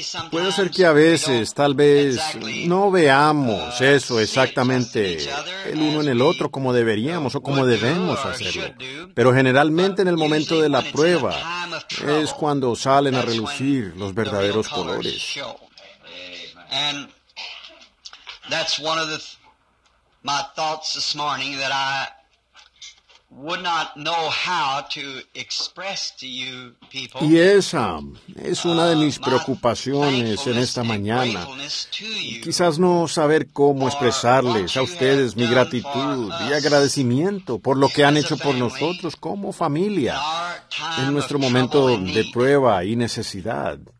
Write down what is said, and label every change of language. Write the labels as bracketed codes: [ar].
[es] Puede ser que a veces, tal vez, no veamos eso exactamente el uno en el otro como deberíamos o como debemos hacerlo. Pero generalmente en el momento de la prueba es cuando salen a relucir los verdaderos colores. [en] And that's one of the my thoughts this morning that I would not know how to express to you people. [es] Y esa es una de mis preocupaciones en esta mañana. Quizás no saber cómo expresarles a ustedes mi gratitud y agradecimiento por lo que han hecho por nosotros como familia en nuestro momento de prueba y necesidad.